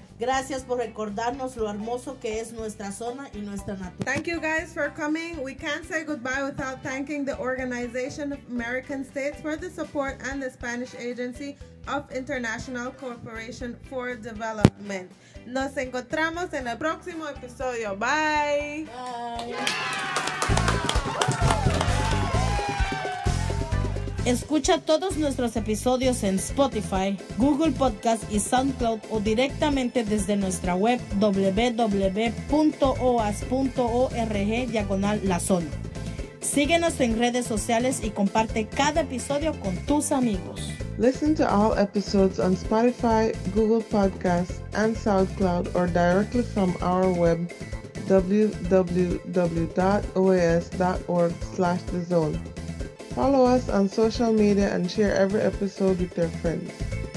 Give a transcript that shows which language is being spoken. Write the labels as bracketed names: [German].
[Spanish] Gracias por recordarnos lo hermoso que es nuestra zona y nuestra naturaleza. [English] Thank you guys for coming. We can't say goodbye without thanking the Organization of American States for the support and the Spanish Agency of International Cooperation for Development. [Spanish] Nos encontramos en el próximo episodio. Bye. [English] Bye. [Spanish] Escucha todos nuestros episodios en Spotify, Google Podcast y SoundCloud o directamente desde nuestra web www.oas.org/lazona. Síguenos en redes sociales y comparte cada episodio con tus amigos. [English] Listen to all episodes on Spotify, Google Podcasts, and SoundCloud or directly from our web www.oas.org/thezone. Follow us on social media and share every episode with your friends.